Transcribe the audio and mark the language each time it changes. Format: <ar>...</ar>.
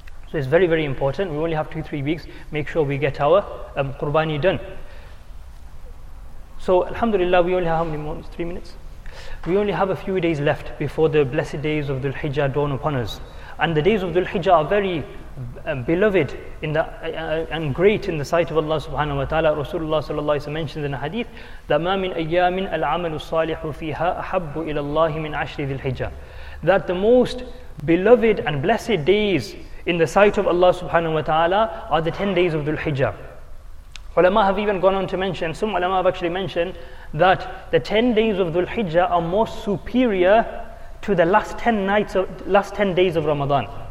<en>So it's very, very important. We only have 2-3 weeks. Make sure we get our qurbani done. So alhamdulillah, we only have how many moments? 3 minutes? We only have a few days left before the blessed days of Dhul Hijjah dawn upon us. And the days of Dhul Hijjah are very beloved in the and great in the sight of Allah subhanahu wa ta'ala.</en> <ar>Rasulullah sallallahu alayhi wa sallam</ar> <en>mentions in a hadith that</en> <ar>مَا مِنْ أَيَّامٍ الْعَمَلُ الصَّالِحُ فِيهَا أَحَبُّ إِلَى اللَّهِ مِنْ عَشْرِ ذِي الْحِجَّةِ.</ar> <en>That the most beloved and blessed days in the sight of Allah subhanahu wa ta'ala are the 10 days of Dhul Hijjah. Ulama have even gone on to mention, some ulama have actually mentioned, that the 10 days of Dhul Hijjah are more superior to the last 10 days of Ramadan.</en>